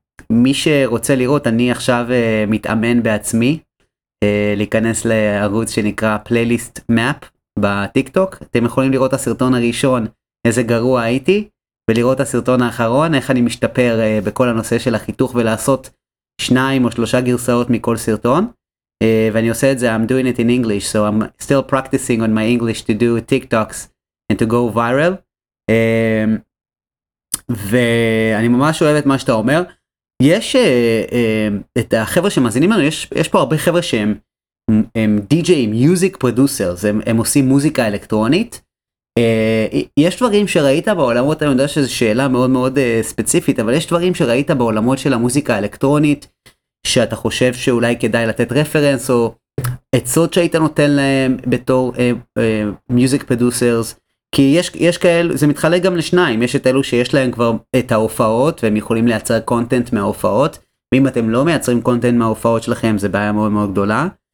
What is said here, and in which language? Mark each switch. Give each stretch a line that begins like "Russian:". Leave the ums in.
Hebrew: מי שרוצה לראות אני עכשיו מתאמן בעצמי להיכנס לערוץ שנקרא פלייליסט מאפ בטיק טוק אתם יכולים לראות את הסרטון הראשון איזה גרוע הייתי ולראות את הסרטון האחרון איך אני משתפר בכל הנושא של החיתוך ולעשות שניים או שלושה גרסאות מכל סרטון.
English: Uh,
Hebrew: ואני עושה את זה,
English: I'm doing it in English, so I'm still practicing on my English to do TikToks and to go viral.
Hebrew: Uh, ואני ממש אוהב את מה שאתה אומר. יש uh, uh, את החבר'ה שמאזינים לנו, יש, יש פה הרבה חבר'ה שהם הם, הם DJ, מיוזיק producers הם, הם עושים מוזיקה אלקטרונית. Uh, יש דברים שראית בעולמות, אני יודע שזו שאלה מאוד מאוד uh, ספציפית, אבל יש דברים שראית בעולמות של המוזיקה האלקטרונית, שאתה חושב שאולי כדאי לתת רפרנס, או עצות שהיית נותן להם בתור מיוזיק uh, פדוסרס, כי יש, יש כאלו, זה מתחלק גם לשניים, יש את אלו שיש להם כבר את ההופעות, והם יכולים לייצר קונטנט מההופעות, ואם אתם לא מייצרים קונטנט מההופעות שלכם, זה בעיה מאוד מאוד גדולה.